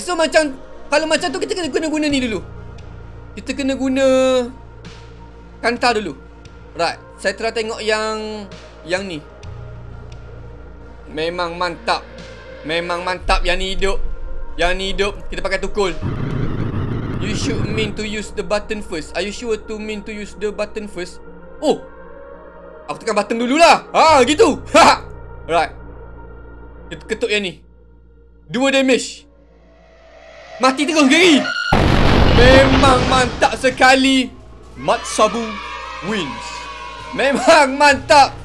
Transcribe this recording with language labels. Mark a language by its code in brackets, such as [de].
[ms] So macam, kalau macam tu kita kena guna ni dulu. Kita kena guna kantar dulu. Right, saya try tengok yang yang ni. Memang mantap. Memang mantap yang ni hidup. Yang ni hidup, kita pakai tukul. [en] You should mean to use the button first. Are you sure to mean to use the button first? [ms] Oh, aku tekan button dululah. Haa, gitu. Right, kita ketuk yang ni. Dua damage. Mati terus Gary. Memang mantap sekali. Matsabu wins. Memang mantap.